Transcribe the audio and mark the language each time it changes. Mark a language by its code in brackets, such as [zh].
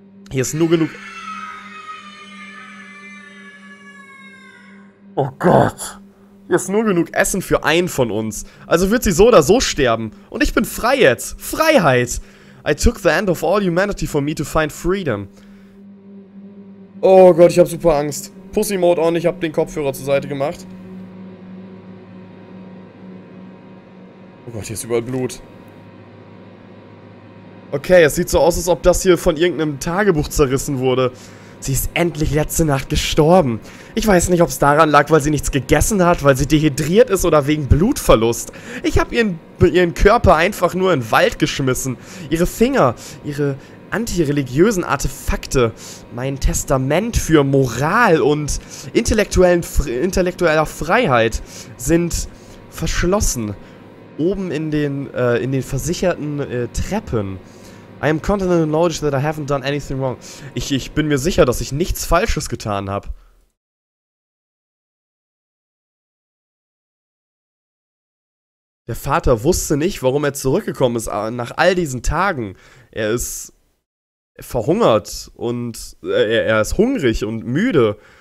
[de] Hier ist nur genug. Oh Gott! Hier ist nur genug Essen für einen von uns. Also wird sie so oder so sterben. Und ich bin frei jetzt! Freiheit! [en] I took the end of all humanity for me to find freedom. [de] Oh Gott, ich hab super Angst. [en] Pussy Mode on, [de] ich hab den Kopfhörer zur Seite gemacht. Oh Gott, hier ist überall Blut. Okay, es sieht so aus, als ob das hier von irgendeinem Tagebuch zerrissen wurde. Sie ist endlich letzte Nacht gestorben. Ich weiß nicht, ob es daran lag, weil sie nichts gegessen hat, weil sie dehydriert ist oder wegen Blutverlust. Ich habe ihren Körper einfach nur in den Wald geschmissen. Ihre Finger, ihre antireligiösen Artefakte, mein Testament für Moral und intellektueller Freiheit sind verschlossen. Oben in den versicherten Treppen. [en] I am content in the knowledge that I haven't done anything wrong. [de] Ich bin mir sicher, dass ich nichts Falsches getan habe. Der Vater wusste nicht, warum er zurückgekommen ist nach all diesen Tagen. Er ist verhungert und er ist hungrig und müde.